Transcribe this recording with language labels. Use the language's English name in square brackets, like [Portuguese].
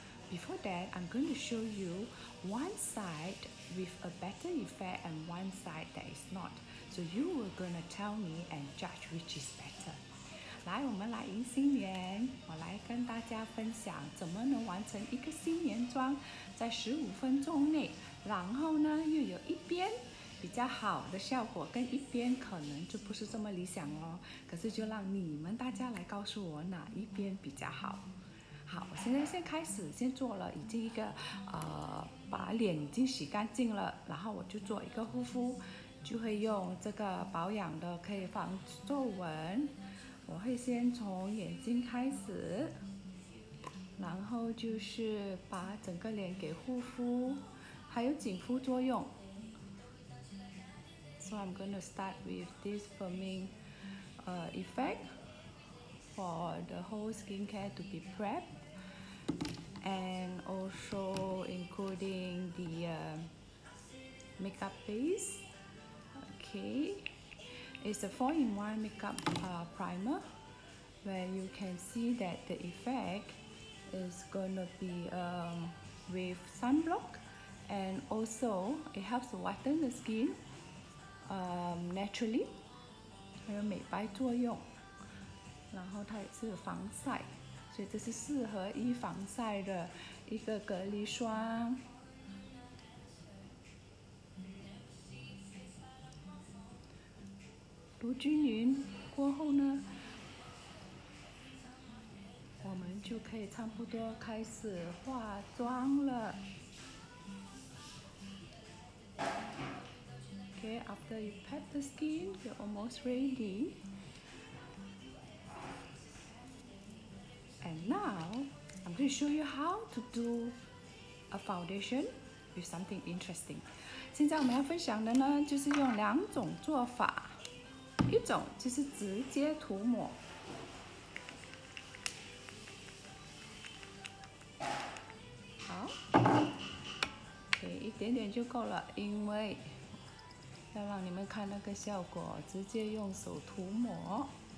[English] Before that, I'm going to show you one side with a better effect and one side that is not. So you are going to tell me and judge which is better. [Chinese] 来，我们来迎新年。我来跟大家分享怎么能完成一个新年妆，在15分钟内，然后呢又有一边比较好的效果，跟一边可能就不是这么理想哦。可是就让你们大家来告诉我哪一边比较好。好，我现在先开始，先做了已经一个把脸已经洗干净了，然后我就做一个护肤，就会用这个保养的可以防皱纹。我会先从眼睛开始，然后就是把整个脸给护肤，还有紧肤作用。 [English] So I'm going to start with this firming effect for the whole skincare to be prepped, and also including the makeup base. Okay, it's a 4-in-1 makeup primer, where you can see that the effect is going to be with sunblock, and also it helps to whiten the skin. [Chinese] Naturally, 还有美白作用，然后它也是防晒，所以这是适合一防晒的一个隔离霜。涂均匀过后呢，我们就可以差不多开始化妆了。 [English] Okay, after you pat the skin, you're almost ready. And now, I'm going to show you how to do a foundation with something interesting. [Chinese] 现在我们要分享的呢，就是用两种做法。一种就是直接涂抹。好。Okay, 一点点就够了，因为要让你们看那个效果，直接用手涂抹。